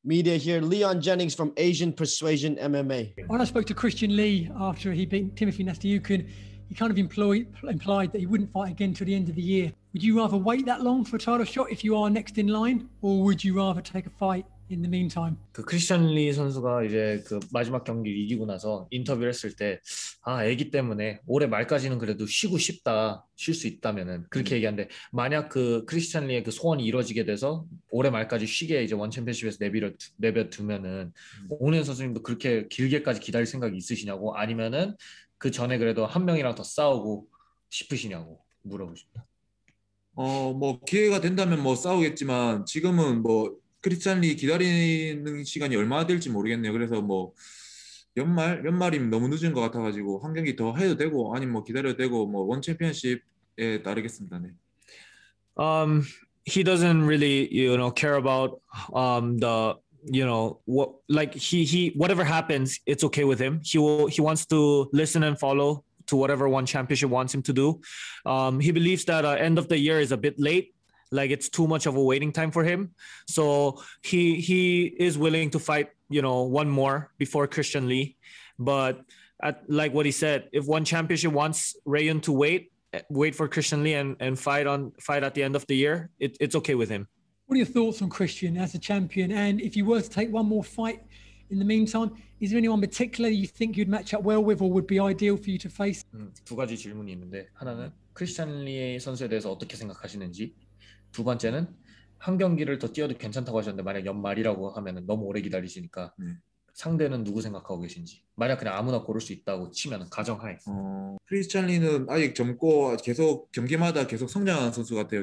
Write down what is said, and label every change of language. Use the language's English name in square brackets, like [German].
[English] Media here, Leon Jennings from Asian Persuasion MMA. When I spoke to Christian Lee after he beat Timothy Nestayukin, he kind of implied that he wouldn't fight again till the end of the year. Would you rather wait that long for a title shot if you are next in line, or would you rather take a fight in the meantime? [Korean] 그 크리스찬 리 선수가 이제 그 마지막 경기를 이기고 나서 인터뷰를 했을 때 아, 애기 때문에 올해 말까지는 그래도 쉬고 싶다. 쉴 수 있다면은 그렇게 얘기한데 만약 그 크리스찬 리의 그 소원이 이루어지게 돼서 올해 말까지 쉬게 이제 원 챔피언십에서 내버려 두면은 오은현 선수님도 그렇게 길게까지 기다릴 생각이 있으시냐고 아니면은 그 전에 그래도 한 명이랑 더 싸우고 싶으시냐고 물어보십니다. 뭐 기회가 된다면 뭐 싸우겠지만 지금은 뭐 크리스찬 리 기다리는 시간이 얼마나 될지 모르겠네요. 그래서 뭐 연말이면 너무 늦은 것 같아가지고 한 경기 더 해도 되고 아니면 뭐 기다려도 되고 뭐 원 챔피언십에 따르겠습니다. 네. [English] He doesn't really, you know, care about the, you know, what, like he whatever happens, it's okay with him. He wants to listen and follow to whatever one championship wants him to do. He believes that end of the year is a bit late. Like it's too much of a waiting time for him. So he is willing to fight, you know, one more before Christian Lee. But at, like what he said, if one championship wants Rae Yoon to wait for Christian Lee and fight at the end of the year, it's okay with him. What are your thoughts on Christian as a champion? And if you were to take one more fight in the meantime, is there anyone particularly you think you'd match up well with or would be ideal for you to face? [Korean] 두 가지 질문이 있는데 하나는 크리스찬 리 선수에 대해서 어떻게 생각하시는지 두 번째는 한 경기를 더 뛰어도 괜찮다고 하셨는데 만약 연말이라고 하면 너무 오래 기다리시니까 상대는 누구 생각하고 계신지 만약 그냥 아무나 고를 수 있다고 치면 가정하에 크리스찬 리는 아직 젊고 계속 경기마다 계속 성장하는 선수 같아요.